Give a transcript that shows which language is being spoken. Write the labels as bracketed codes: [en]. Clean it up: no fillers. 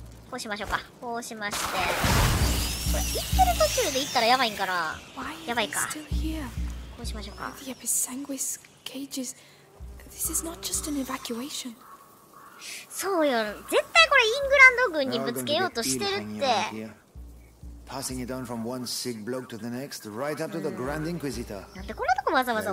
[ja] こうしましょうか。こうしまして。これ、行ってる途中で行ったらやばいんかな。やばいか。こうしましょうか。 [en] The Episanguis cages. This is not just an evacuation. [ja] そうよ。絶対これイングランド軍にぶつけようとしてるって。 [en] Passing it down from one sick bloke to the next, right up to the Grand Inquisitor. [ja] なんでこんなとこわざわざ。